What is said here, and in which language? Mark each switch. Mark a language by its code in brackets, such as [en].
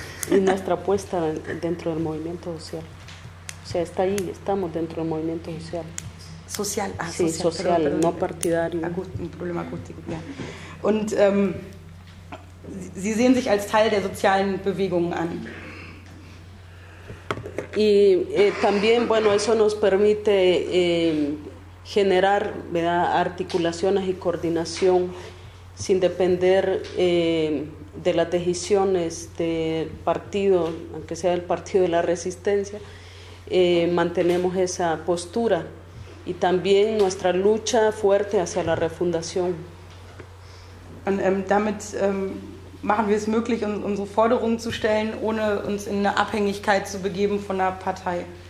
[es] Y nuestra apuesta dentro del movimiento social. O sea, está ahí, estamos dentro del movimiento social. Social, ah, sí, social, perdón, no partidario. Un problema acústico, ya. [de] Und Sie sehen sich als Teil der sozialen Bewegungen an. [es] Y también, bueno, eso nos permite generar, ¿verdad?, articulaciones y coordinación sin depender de las decisiones del partido, aunque sea el partido de la resistencia. Mantenemos esa postura y también nuestra lucha fuerte hacia la refundación. [de] Und damit machen wir es möglich, unsere Forderungen zu stellen, ohne uns in eine Abhängigkeit zu begeben von einer Partei.